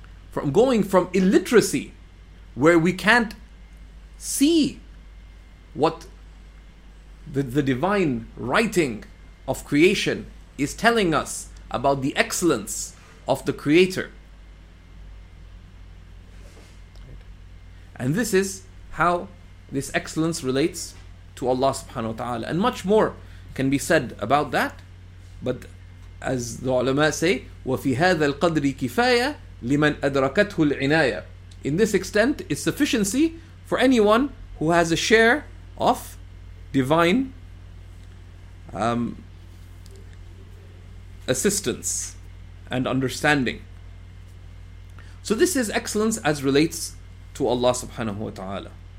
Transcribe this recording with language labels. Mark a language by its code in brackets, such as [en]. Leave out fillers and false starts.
[en] from going from illiteracy, where we can't see what the divine writing of creation is telling us about the excellence of the Creator. And this is how this excellence relates to Allah subhanahu wa ta'ala. And much more can be said about that. But as the ulama say, [ar] وَفِي هَذَا الْقَدْرِ كِفَايَةً لِمَنْ أَدْرَكَتْهُ الْعِنَايَةِ. [en] In this extent is sufficiency for anyone who has a share of divine assistance and understanding. So this is excellence as relates to Allah subhanahu wa ta'ala.